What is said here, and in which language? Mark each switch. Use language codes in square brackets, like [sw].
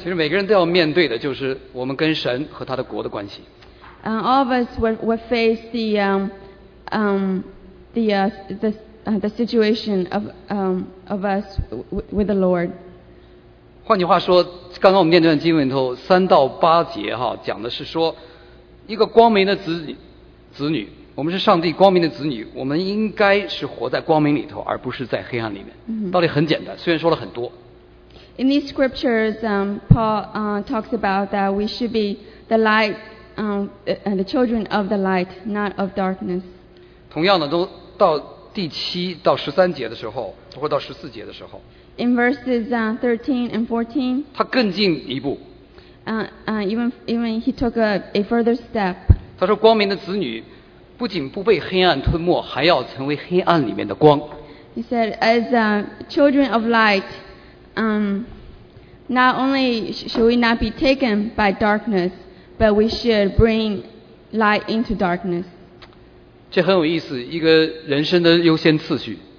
[zh] 其实每个人都要面对的就是我们跟神和他的国的关系。 [en] All of us would face the situation of us with the Lord. [zh] 换句话说，刚刚我们念这段经文里头三到八节哈，讲的是说一个光明的子女，我们是上帝光明的子女，我们应该是活在光明里头，而不是在黑暗里面。道理很简单，虽然说了很多。 [en] In these scriptures, Paul talks about that we should be the light. The children of the light, not of darkness. [zh] 同样的，都到第七到十三节的时候，或到十四节的时候。 [en] In verses 13 and 14. [zh] 他更进一步。 [en] Even he took a further step. [zh] 他说，光明的子女不仅不被黑暗吞没，还要成为黑暗里面的光。 [en] He said, as children of light, not only should we not be taken by darkness. But we should bring light into darkness. [zh] 这很有意思，一个人生的优先次序。